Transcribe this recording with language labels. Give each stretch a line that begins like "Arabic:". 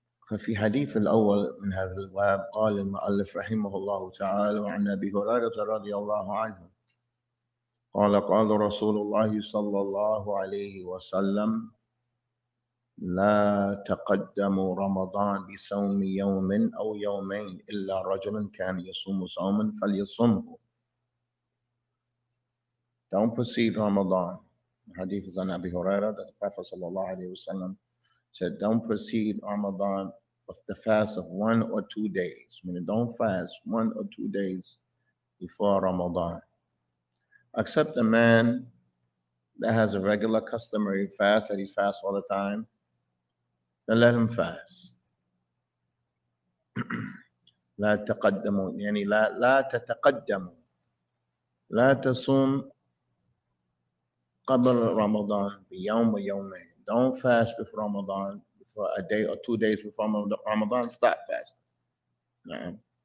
Arabic: ففي حديث الأول من هذا الباب قال المؤلف رحمه الله تعالى عن أبي هريرة رضي الله عنه قال قال رسول الله صلى الله عليه وسلم لا تقدموا رمضان بصوم يوم أو يومين إلا رجل كان يصوم صوما فليصمه.
English: Don't proceed Ramadan. The hadith is on Abi Huraira that the Prophet sallallahu alaihi wasallam said, don't proceed Ramadan with the fast of 1 or 2 days. Meaning, don't fast 1 or 2 days before Ramadan. Except a man that has a regular customary fast, that he fasts all the time, then let him fast.
Arabic: لا تقدموا يعني لا تتقدموا لا تصوم قبل رمضان بيوم ويومين.
English: Don't fast before Ramadan, before a day or 2 days before Ramadan, start fasting. نعم.